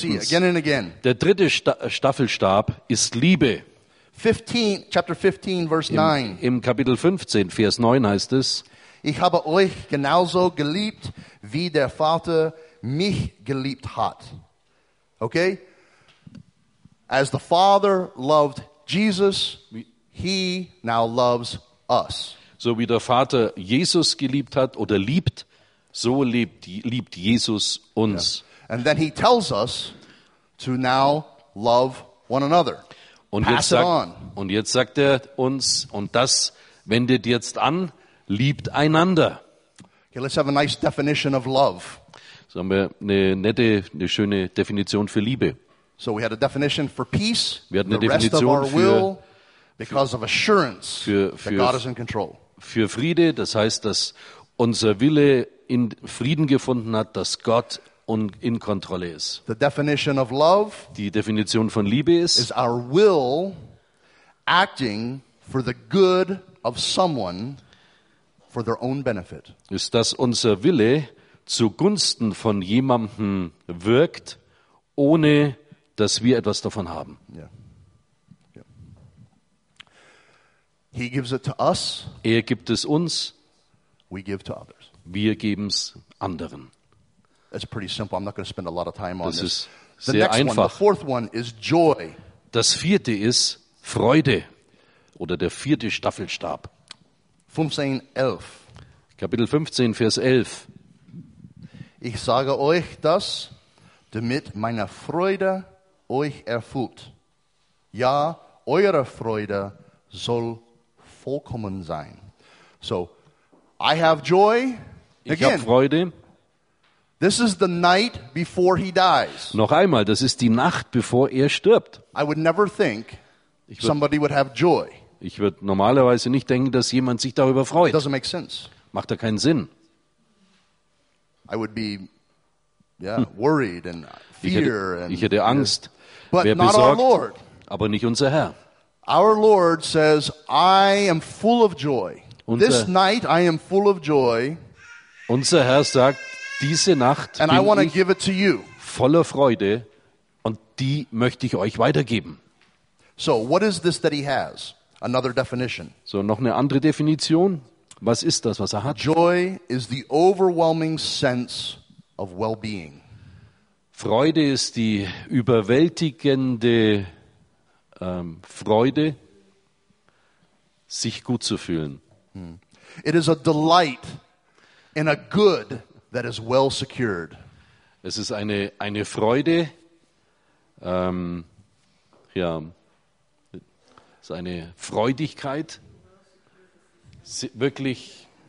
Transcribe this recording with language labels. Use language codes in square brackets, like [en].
[en] see, again and again. [de] Der dritte Staffelstab ist Liebe. [en] Chapter 15, verse 9. [de] Im Kapitel 15, Vers 9 heißt es, ich habe euch genauso geliebt, wie der Vater mich geliebt hat. [en] Okay? As the Father loved Jesus, he now loves us. [de] So wie der Vater Jesus geliebt hat oder liebt, so liebt Jesus uns. [en] Yeah. And then he tells us to now love one another. [de] Und jetzt sagt, uns, und das wendet jetzt an, liebt einander. [en] Okay, let's have a nice definition of love. [de] So haben wir eine schöne Definition für Liebe. [en] So we had a definition for peace, [de] wir hatten eine Definition für, will, [en] because of assurance [de] für [en] that God is in control. [de] Für Friede, das heißt, dass unser Wille in Frieden gefunden hat, dass Gott in Kontrolle ist. [en] The definition of love, [de] die Definition von Liebe ist, [en] is our will acting for the good of someone for their own benefit. [de] Ist, dass unser Wille zugunsten von jemandem wirkt, ohne dass wir etwas davon haben. [en] Yeah. Yeah. He gives it to us. [de] Er gibt es uns. [en] We give to others. [de] Wir geben es anderen. [en] It's pretty simple. I'm not going to spend a lot of time on [de] das [en] this. [de] Ist sehr [en] the next [de] einfach. [en] One, the fourth one is joy. [de] Das vierte ist Freude oder der vierte Staffelstab. [en] 15:11. [de] Kapitel 15, Vers 11. Ich sage euch das, damit meine Freude euch erfüllt. Ja, eure Freude soll vollkommen sein. [en] So, I have joy. [de] Ich habe Freude. [en] This is the night before he dies. [de] Noch einmal, das ist die Nacht, bevor er stirbt. [en] I would never think somebody would have joy. [de] Ich würde normalerweise nicht denken, dass jemand sich darüber freut. [en] It doesn't make sense. [de] Macht da keinen Sinn. [en] I would be, yeah, worried and fear. [de] Ich hätte Angst. [en] But [de] wer [en] not [de] besorgt, [en] our Lord. [de] Aber nicht unser Herr. [en] Our Lord says, I am full of joy. [de] Unser, [en] this night I am full of joy. [de] Unser Herr sagt, diese Nacht [en] and [de] bin [en] I wanna [de] ich [en] give it to you. [de] Voller Freude und die möchte ich euch weitergeben. [en] So, what is this that he has? Another definition. [de] So, noch eine andere Definition. Was ist das, was er hat? [en] Joy is the overwhelming sense of well-being. [de] Freude ist die überwältigende Freude, sich gut zu fühlen. [en] It is a delight in a good that is well secured. [de] Es ist eine Freude, es ist eine Freudigkeit, wirklich